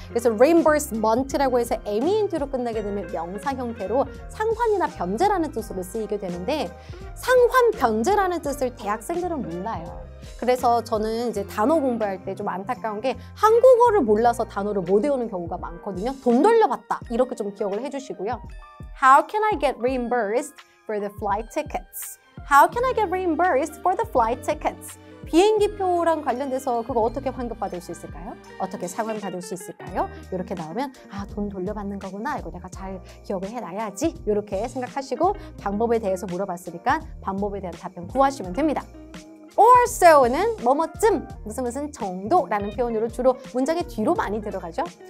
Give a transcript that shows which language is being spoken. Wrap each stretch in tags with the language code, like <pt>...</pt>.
<ko>그래서 reimbursement라고 해서 ment로 끝나게 되면 명사 형태로 상환이나 변제라는 뜻으로 쓰이게 되는데 상환 변제라는 뜻을 대학생들은 몰라요. 그래서 저는 이제 단어 공부할 때 좀 안타까운 게 한국어를 몰라서 단어를 못 외우는 경우가 많거든요. 돈 돌려받다 이렇게 좀 기억을 해주시고요.</ko> <en>How can I get reimbursed for the flight tickets? How can I get reimbursed for the flight tickets?</en> <ko>비행기표랑 관련돼서 그거 어떻게 환급받을 수 있을까요? 어떻게 상환받을 수 있을까요? 이렇게 나오면 아 돈 돌려받는 거구나 이거 내가 잘 기억을 해놔야지 이렇게 생각하시고 방법에 대해서 물어봤으니까 방법에 대한 답변 구하시면 됩니다. Or so는 뭐뭐쯤, 무슨 무슨 정도라는 표현으로 주로 문장의 뒤로 많이 들어가죠.</ko>